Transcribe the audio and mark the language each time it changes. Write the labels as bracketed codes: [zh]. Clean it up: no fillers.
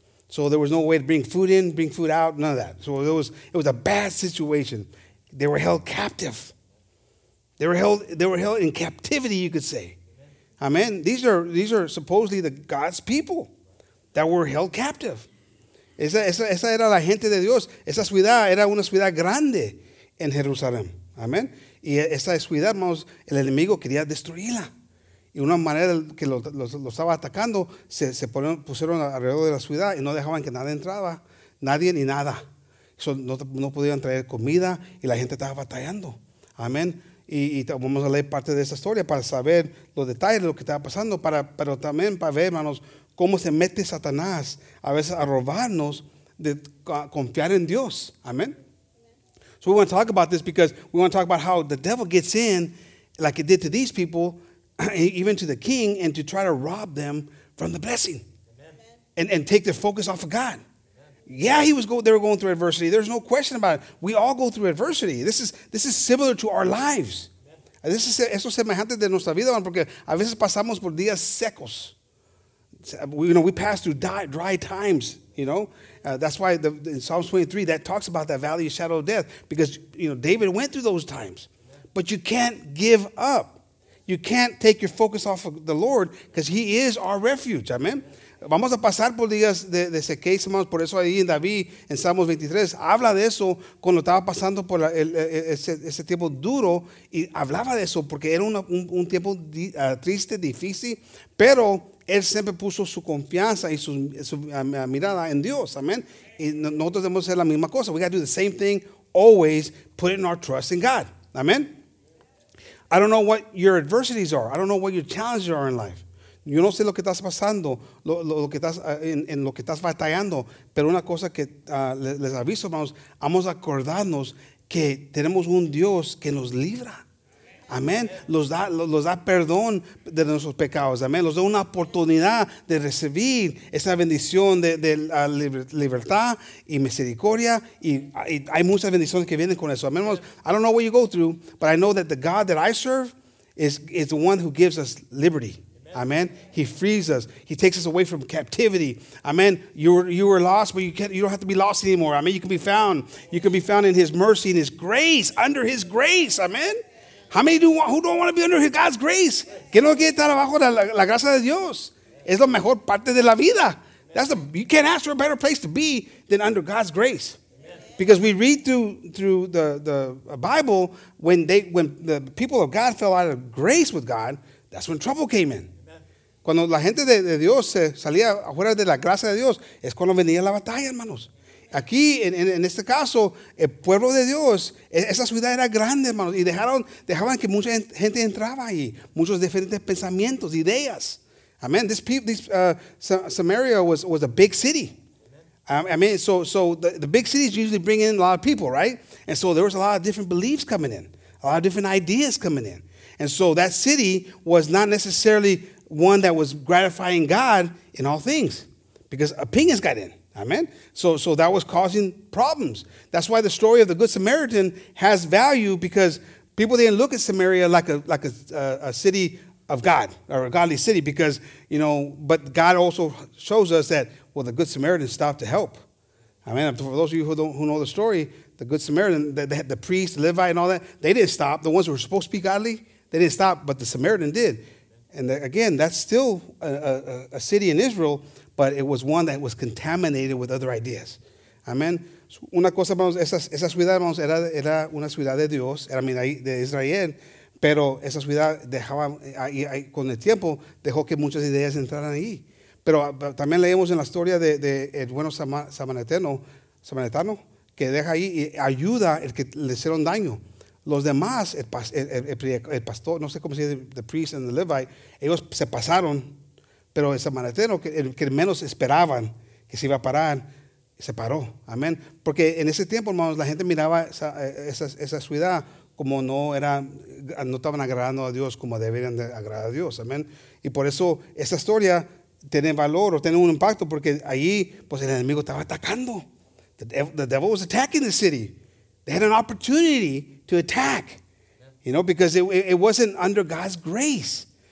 [en] So there was no way to bring food in, bring food out, none of that. So it was a bad situation. They were held captive. They were held in captivity, you could say. Amen. These are supposedly the God's people that were held captive. [es] Esa era la gente de Dios. Esa ciudad era una ciudad grande en Jerusalén. Amen. Y esa ciudad, hermanos, el enemigo quería destruirla. Y una manera que lo estaba atacando, se pusieron alrededor de la ciudad y no dejaban que nadie entraba, nadie ni nada. So no podían traer comida y la gente estaba batallando. Amén. Y vamos a leer parte de esa historia para saber los detalles de lo que estaba pasando, pero también para ver, hermanos, cómo se mete Satanás a veces a robarnos de confiar en Dios. Amén. [en] So we want to talk about this because we want to talk about how the devil gets in like it did to these people, even to the king, and to try to rob them from the blessing. Amen. And take their focus off of God. Amen. Yeah, they were going through adversity. There's no question about it. We all go through adversity. This is similar to our lives. This is [es] eso semejante de nuestra vida, porque a veces pasamos por días secos. [en] We pass through dry times, you know. That's why in Psalms 23, that talks about that valley of shadow of death. Because, you know, David went through those times. Amen. But you can't give up. You can't take your focus off of the Lord because He is our refuge. Amen. [es] Vamos a pasar por días de sequía, hermanos. Por eso ahí en David, en Salmos 23, habla de eso cuando estaba pasando por ese tiempo duro. Y hablaba de eso porque era un tiempo triste, difícil. Pero él siempre puso su confianza y su mirada en Dios. Amen. Y nosotros debemos hacer la misma cosa. [en] We got to do the same thing always, putting our trust in God. Amen. I don't know what your adversities are. I don't know what your challenges are in life. [es] Yo no sé lo que estás pasando, lo que estás en lo que estás batallando. Pero una cosa que les aviso, hermanos, vamos a acordarnos que tenemos un Dios que nos libra. Amén. Los da perdón de nuestros pecados. Amén. Los da una oportunidad de recibir esa bendición de libertad y misericordia. Y hay muchas bendiciones que vienen con eso. Amén. [en] I don't know what you go through, but I know that the God that I serve is the one who gives us liberty. Amen. He frees us. He takes us away from captivity. Amen. You were lost, but you don't have to be lost anymore. Amen. You can be found. You can be found in His mercy, in His grace, under His grace. Amen. How many who don't want to be under God's grace? [es] ¿Que no quiere estar abajo de la gracia de Dios? Es la mejor parte de la vida. [en] You can't ask for a better place to be than under God's grace. Because we read through the Bible, when the people of God fell out of grace with God, that's when trouble came in. [es] Cuando la gente de Dios se salía afuera de la gracia de Dios, es cuando venía la batalla, hermanos. Aquí, en este caso, el pueblo de Dios, esa ciudad era grande, hermanos, y dejaban que mucha gente entraba ahí, muchos diferentes pensamientos, ideas. [en] Amen. Samaria was a big city. So the big cities usually bring in a lot of people, right? And so there was a lot of different beliefs coming in, a lot of different ideas coming in. And so that city was not necessarily one that was gratifying God in all things because opinions got in. Amen. So that was causing problems. That's why the story of the Good Samaritan has value, because people didn't look at Samaria like a city of God or a godly city, because, you know, but God also shows us that, well, the Good Samaritan stopped to help. Amen. For those of you who know the story, the Good Samaritan, the priest, the Levite and all that, they didn't stop. The ones who were supposed to be godly, they didn't stop, but the Samaritan did. And again, that's still a city in Israel, but it was one that was contaminated with other ideas. [es] Amén. Una cosa, hermanos, esa ciudad, hermanos, era una ciudad de Dios, era de Israel, pero esa ciudad dejaba, y con el tiempo, dejó que muchas ideas entraran ahí. Pero también leemos en la historia de el bueno samaritano, que deja ahí y ayuda el que le hicieron daño. Los demás, el pastor, no sé cómo se dice, [en] the priest and the Levite, [es] ellos se pasaron, pero el samaritano, que menos esperaban que se iba a parar, se paró. Amén. Porque en ese tiempo, hermanos, la gente miraba esa ciudad como no estaban agradando a Dios como deberían de agradar a Dios. Amén. Y por eso esa historia tiene valor o tiene un impacto, porque allí, pues el enemigo estaba atacando. [en] The devil was attacking the city. They had an opportunity to attack, you know, because it wasn't under God's grace.